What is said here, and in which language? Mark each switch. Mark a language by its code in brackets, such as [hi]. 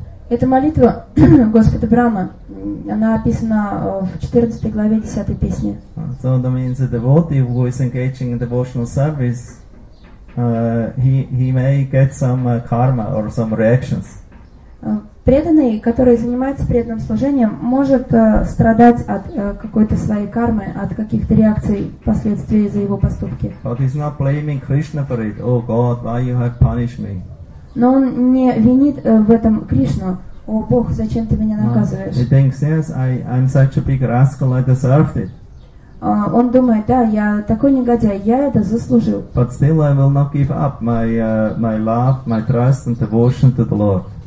[ru] Это молитва Господа Брама. Она описана в 14 главе 10 песни. [en] So that means a devotee who is engaging in devotional service, he may get some karma or some reactions. [ru] Преданный, который занимается преданным служением, может страдать от какой-то своей кармы, от каких-то реакций, последствий за его поступки. [en] But he's not blaming Krishna for it. Oh God, why you have punished me? [ru] Но он не винит в этом Кришну. О Бог, зачем ты меня наказываешь? [en] He thinks, yes, I'm such a big rascal, I deserved it. [ru] Он думает, да, я такой негодяй, я это заслужил. [en] But still I will not give up my love, my trust and devotion to the Lord.